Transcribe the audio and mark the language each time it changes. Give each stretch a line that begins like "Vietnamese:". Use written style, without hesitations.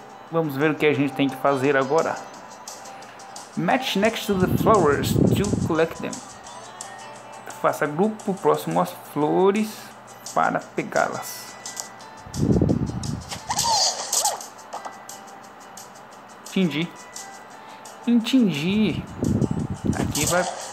Portuguese: Vamos ver o que a gente tem que fazer agora.
English: Match next to the flowers to collect them.
Portuguese: Faça grupo próximo às flores para pegá-las. Entendi. Entendi. Aqui vai.